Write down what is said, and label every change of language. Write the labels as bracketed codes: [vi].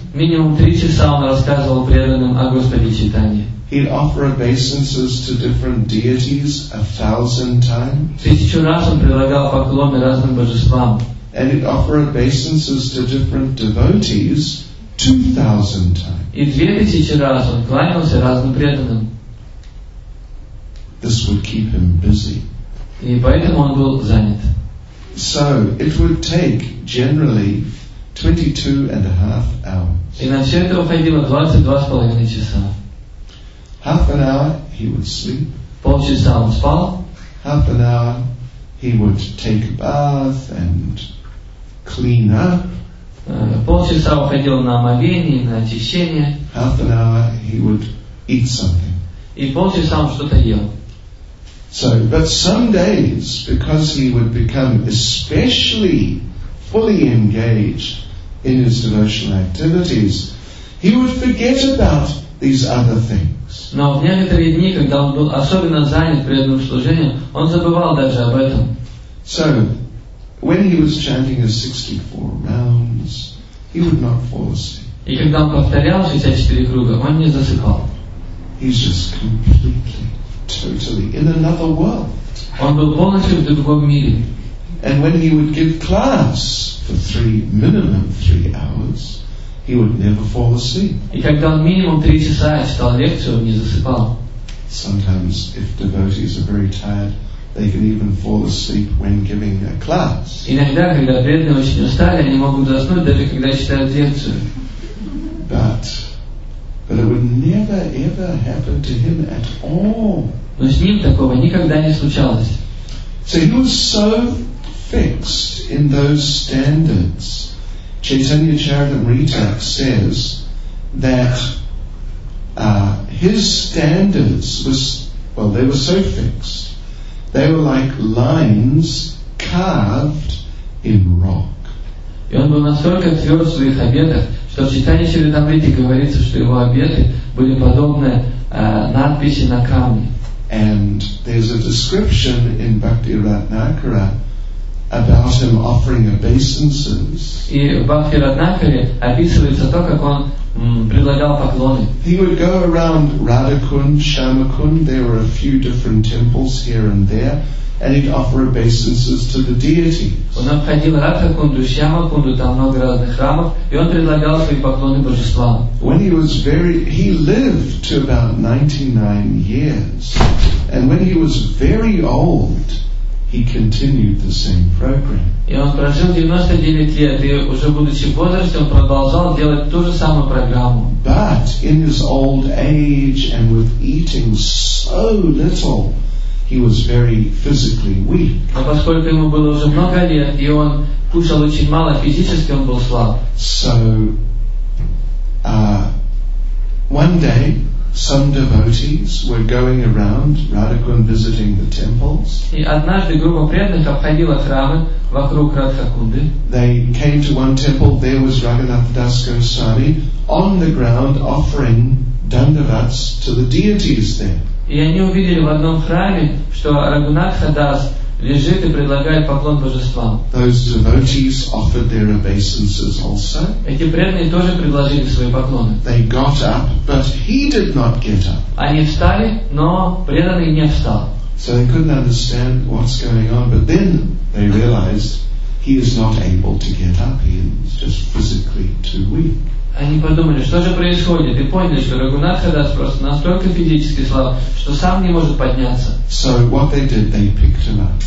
[ru] Минимум 3 часа он рассказывал преданным о Господе Чайтанье. [en] He'd offer obeisances to different deities 1,000 times. [ru] 1,000 раз он предлагал поклоны разным божествам. [en] And he'd offer obeisances to different devotees 2,000 times. [ru] И 2,000 раз он кланялся разным преданным. [en] This would keep him busy. [ru] И поэтому он был занят. [en] So it would take generally 22.5 hours. [ru] И на все это уходило 22.5 часа. [en] Half an hour he would sleep. [ru] Полчаса он спал. [en] Half an hour he would take a bath and clean up. [ru] полчаса уходил на омовение, на очищение. [en] Half an hour he would eat something. [ru] И полчаса он что-то ел. [en] So, but some days, because he would become especially fully engaged in his devotional activities, he would forget about these other things. [ru] Но в некоторые дни, когда он был особенно занят преданным служением, он забывал даже об этом. [en] So, when he was chanting his 64 rounds, he would not fall asleep. [ru] И когда он повторял 64 круга, он не засыпал. [en] He's just completely, totally in another world. [ru] Он был полностью в другом мире. [en] And when he would give class for minimum three hours, he would never fall asleep. [ru] И когда он минимум 3 часа читал лекцию, он не засыпал. [en] Sometimes, if devotees are very tired, they can even fall asleep when giving a class. [ru] Иногда, когда преданные очень устали, они могут заснуть даже когда читают лекцию. [en] But it would never ever happen to him at all. [ru] Но с ним такого никогда не случалось. [en] So he was so fixed in those standards. Chaitanya Charitamrita says that his standards were so fixed. They were like lines carved in rock. [ru] И он был настолько тверд в своих обетах, что в Читании Чаритамриты говорится, что его обеты были подобны надписи на камне. [en] And there's a description in Bhakti Ratnakara about him offering obeisances. [ru] И в Бхакти Ратнакаре описывается то, как он предлагал поклоны. [en] He would go around Radhakund, Shamakund, there were a few different temples here and there, and he'd offer obeisances to the deities. [ru] Он обходил Радхакунду, Шьямакунду, там много разных храмов, и он предлагал свои поклоны божествам. [en] When he was very, he lived to about 99 years, and when he was very old, he continued the same program. [ru] И он прожил 99 лет, и уже будучи в возрасте, он продолжал делать ту же самую программу. [en] But in his old age and with eating so little, he was very physically weak. [ru] А поскольку ему было уже много лет, и он кушал очень мало, физически он был слаб. [en] So, one day, some devotees were going around Radhakund visiting the temples. [ru] И однажды группа преданных обходила храмы вокруг Радхакунды. [en] They came to one temple. There was Raghunath Das Goswami on the ground offering dandavats to the deities there. [ru] И они увидели в одном храме, что Рагунатха Дас лежит и предлагает поклон божествам. [en] Those devotees offered their obeisances also. [ru] Эти преданные тоже предложили свои поклоны. [en] They got up, but he did not get up. [ru] Они встали, но преданный не встал. [en] So they couldn't understand what's going on, but then they realized he is not able to get up. He is just physically too weak. [ru] Они подумали, что же происходит, и поняли, что Рагунатха Дас просто настолько физически слаб, что сам не может подняться. [en] So what they did, they picked him up.